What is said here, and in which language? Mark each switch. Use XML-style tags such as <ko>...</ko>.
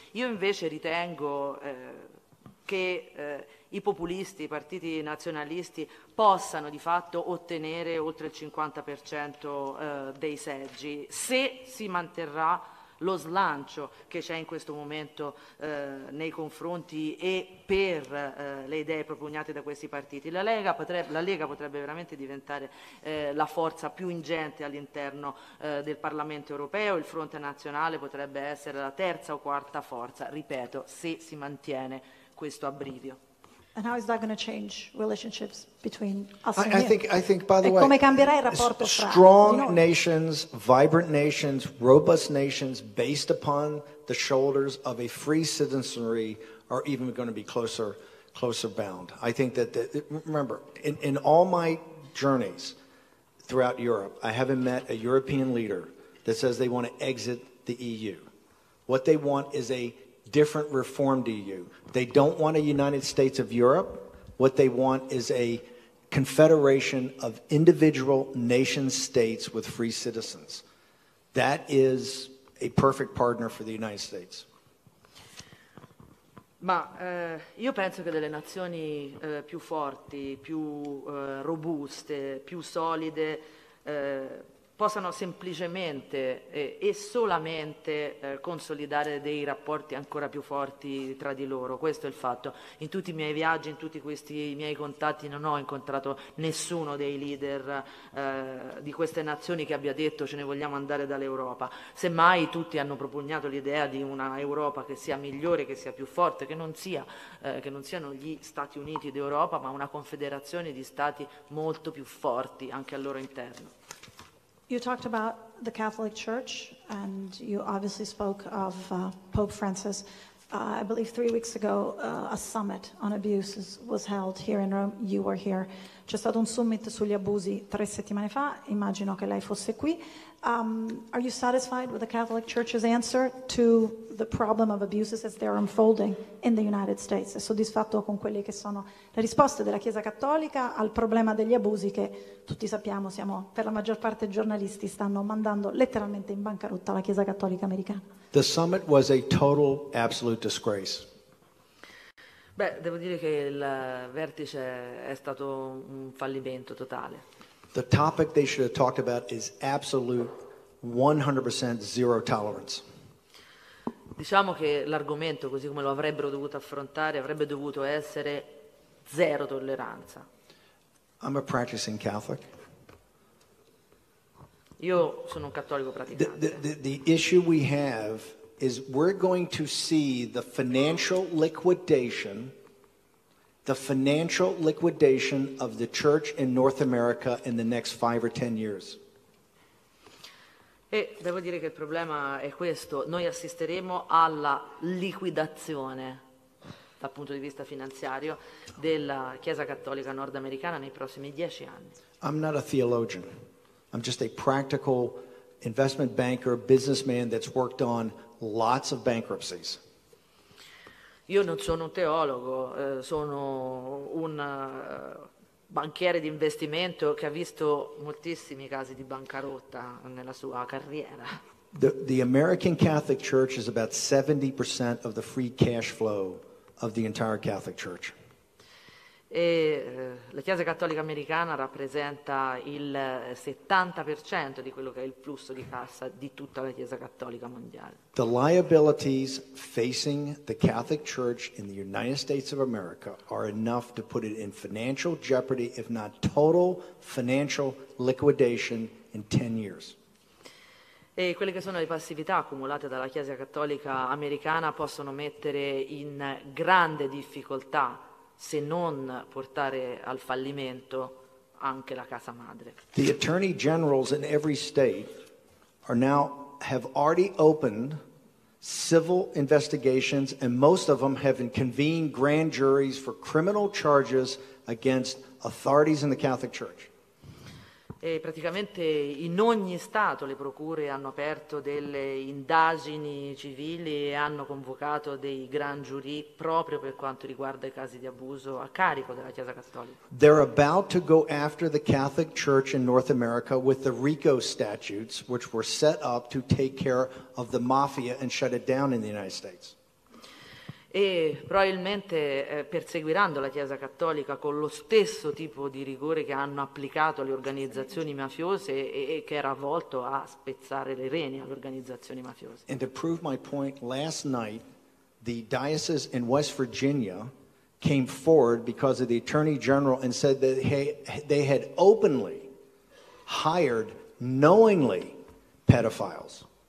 <it>Io invece ritengo che i populisti, i partiti nazionalisti, possano di fatto ottenere oltre il 50% dei seggi, se si manterrà lo slancio che c'è in questo momento nei confronti e per le idee propugnate da questi partiti. La Lega potrebbe veramente diventare la forza più ingente all'interno del Parlamento europeo, il Fronte Nazionale potrebbe essere la terza o quarta forza, ripeto, se si mantiene questo abbrivio.</it> <en>And how is that going to change relationships between us and him? I think, by the way,</en> <it>come cambierà il rapporto fra</it> <en>strong nations, vibrant nations, robust nations based upon the shoulders of a free citizenry are even going to be closer bound. I think that, remember, in all my journeys throughout Europe, I haven't met a European leader that says they want to exit the EU. What they want is a different reformed EU. They don't want a United States of Europe. What they want is a confederation of individual nation states with free citizens. That is a perfect partner for the United States.</en> <it>Ma io penso che delle nazioni più forti, più robuste, più solide possano semplicemente e solamente consolidare dei rapporti ancora più forti tra di loro. Questo è il fatto. In tutti i miei viaggi, in tutti questi miei contatti, non ho incontrato nessuno dei leader di queste nazioni che abbia detto ce ne vogliamo andare dall'Europa. Semmai tutti hanno propugnato l'idea di una Europa che sia migliore, che sia più forte, che non siano gli Stati Uniti d'Europa, ma una confederazione di stati molto più forti anche al loro interno.</it> <en>You talked about the Catholic Church, and you obviously spoke of Pope Francis. I believe 3 weeks ago, a summit on abuses was held here in Rome. You were here.</en> <it>C'è stato un summit sugli abusi 3 settimane fa. Immagino che lei fosse qui.</it> <en>Are you satisfied with the Catholic Church's answer to the problem of abuses as they're unfolding in the United States?</en> <it>È soddisfatto con quelle che sono le risposte della Chiesa Cattolica al problema degli abusi che tutti sappiamo, siamo per la maggior parte giornalisti, stanno mandando letteralmente in bancarotta la Chiesa Cattolica Americana?</it> <en>The summit was a total absolute disgrace.</en> <it>Beh, devo dire che il vertice è stato un fallimento totale.</it> <en>The topic they should have talked about is absolute 100% zero tolerance.</en> <it>Diciamo che l'argomento, così come lo avrebbero dovuto affrontare, avrebbe dovuto essere zero tolleranza.</it> <en>I'm a practicing Catholic.</en> <it>Io sono un cattolico praticante.</it> <en>The issue we have is we're going to see the financial liquidation of the church in North America in the next 5 or 10 years.</en> <it>E devo dire che il problema è questo. Noi assisteremo alla liquidazione dal punto di vista finanziario della Chiesa Cattolica nordamericana nei prossimi 10 anni.</it> <en>I'm not a theologian. I'm just a practical investment banker, businessman that's worked on lots of bankruptcies.</en> <it>Io non sono un teologo, sono un banchiere di investimento che ha visto moltissimi casi di bancarotta nella sua carriera.</it> <en>The American Catholic Church is about 70% of the free cash flow of the entire Catholic Church.</en> <it>E la Chiesa Cattolica Americana rappresenta il 70% di quello che è il flusso di cassa di tutta la Chiesa Cattolica Mondiale.</it> <en>The liabilities facing the Catholic Church in the United States of America are enough to put it in financial jeopardy, if not total financial liquidation, in 10 years.</en> <it>E quelle che sono le passività accumulate dalla Chiesa Cattolica Americana possono mettere in grande difficoltà, se non portare al fallimento, anche la casa madre.</it> <en>The attorney generals in every state are now have already opened civil investigations, and most of them have convened grand juries for criminal charges against authorities in the Catholic Church.</en> <it>E praticamente in ogni stato le procure hanno aperto delle indagini civili e hanno convocato dei grand jury proprio per quanto riguarda i casi di abuso a carico della Chiesa Cattolica.</it> <en>They're about to go after the Catholic Church in North America with the RICO statutes, which were set up to take care of the mafia and shut it down in the United States.</en> <it>E probabilmente perseguiranno la Chiesa Cattolica con lo stesso tipo di rigore che hanno applicato alle organizzazioni mafiose e che era volto a spezzare le reni alle organizzazioni mafiose.</it> <en>And to prove my point, last night the diocese in West Virginia came forward because of the attorney general and said that they had openly hired knowingly pedophiles.</en>